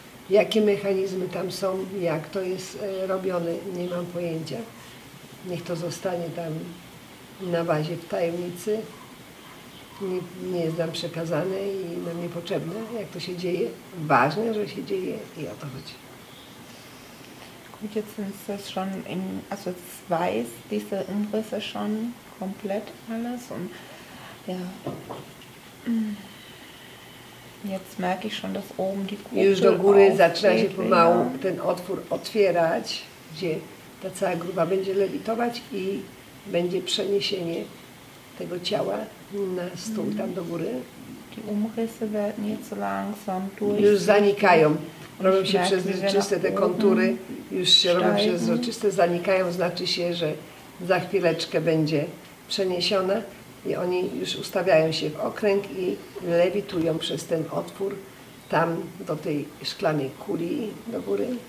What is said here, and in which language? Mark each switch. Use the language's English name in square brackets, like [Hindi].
[Polish] Jakie mechanizmy tam są, jak to jest robione, nie mam pojęcia. Niech to zostanie tam na bazie w tajemnicy. Nie jest nam przekazane i nam niepotrzebne, jak to się dzieje. Ważne, że się dzieje i o to chodzi. [German] Gut, jetzt sind es schon in, also zwei, diese Umrisse schon komplett alles und ja. Jetzt merke ich schon, dass oben die Kugel [Polish] już do góry zaczyna się pomału ten otwór otwierać, gdzie ta cała gruba będzie lewitować i będzie przeniesienie tego ciała na stół tam do góry. [German] Die Umrisse werden jetzt langsam [Polish] durch. Już zanikają. Robią się przezroczyste te kontury, już się robią przezroczyste, zanikają, znaczy się, że za chwileczkę będzie przeniesiona i oni już ustawiają się w okręg i lewitują przez ten otwór tam do tej szklanej kuli do góry.